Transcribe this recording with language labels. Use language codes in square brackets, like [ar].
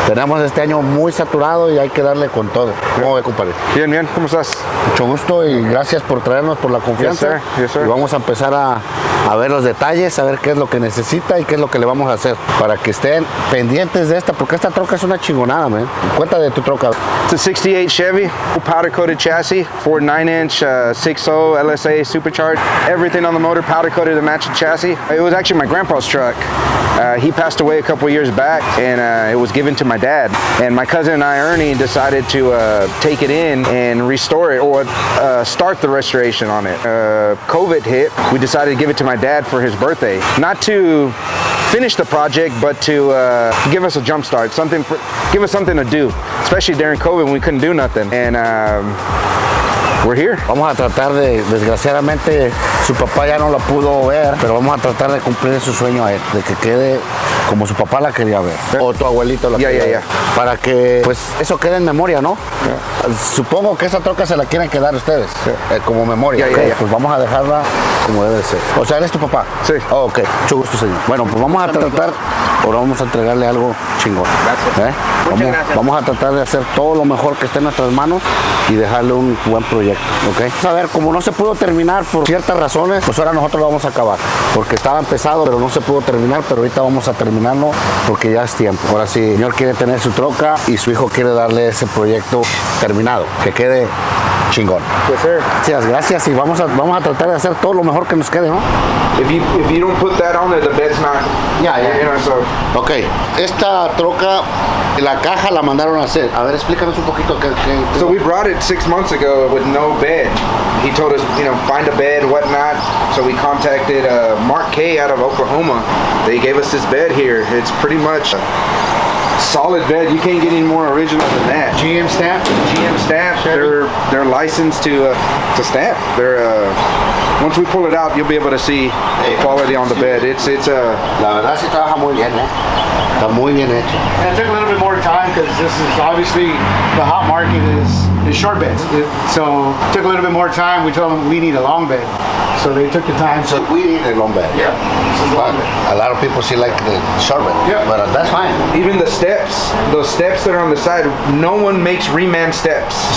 [es] Tenemos este año muy saturado y hay que darle con todo. ¿Cómo ve, compadre? Bien, bien, ¿cómo estás? Mucho gusto y gracias por traernos, por la confianza. [en] Yes, sir. Yes, sir. [es] Y vamos a empezar a ver los detalles, a ver qué es lo que necesita y qué es lo que le vamos a hacer para que estén pendientes de esta, porque esta troca es una chingonada, man. Cuenta de tu troca. [en] It's a 68 Chevy, powder coated chassis, Ford 9-inch, 6.0 LSA supercharged. Everything on the motor powder coated to match the chassis. It was actually my grandpa's truck. He passed away a couple years back, and it was given to my dad. And my cousin and I, Ernie, decided to take it in and restore it, or start the restoration on it. COVID hit, we decided to give it to my dad for his birthday. Not to finish the project, but to give us a jump start, something for, give us something to do, especially during COVID when we couldn't do nothing. And we're here. [es] Vamos a tratar de, desgraciadamente, su papá ya no la pudo ver, pero vamos a tratar de cumplir su sueño a él, de que quede como su papá la quería ver, o tu abuelito la quería ver. Para que, pues, eso quede en memoria, ¿no? Supongo que esa troca se la quieren quedar ustedes, como memoria. Pues vamos a dejarla como debe ser. O sea, ¿eres tu papá? Sí. Oh, ok, mucho gusto, señor. Bueno, pues vamos a tratar, ahora vamos a entregarle algo chingón. Gracias. Vamos, vamos a tratar de hacer todo lo mejor que esté en nuestras manos y dejarle un buen proyecto, ¿ok? A ver, como no se pudo terminar por ciertas razones, pues ahora nosotros lo vamos a acabar. Porque estaba empezado, pero no se pudo terminar, pero ahorita vamos a terminarlo porque ya es tiempo. Ahora sí, el señor quiere tener su troca y su hijo quiere darle ese proyecto terminado, que quede chingón. [en] Yes, sir. [es] Gracias, gracias, y vamos a tratar de hacer todo lo mejor que nos quede, ¿no? [en] If you don't put that on there, the bed's not... Yeah. [es] Ok, esta troca, la caja la mandaron a hacer. A ver, explícanos un poquito qué... [en] So we brought it 6 months ago with no bed. He told us, you know, find a bed, whatnot. So we contacted Mark K out of Oklahoma. They gave us this bed here. It's pretty much a solid bed. You can't get any more original than that. GM stamp? GM stamp. They're licensed to stamp. They're once we pull it out, you'll be able to see the quality on the bed. It's a. [es] La verdad sí trabaja muy bien, está muy bien hecho. [en] And it took a little bit more time because this is obviously the hot market is short beds. So it took a little bit more time. We told them we need a long bed. So they took the time. So we need a long bed. Yeah. A lot of people see like the short bed. Yeah. But that's fine. Even those steps that are on the side, no one makes reman steps.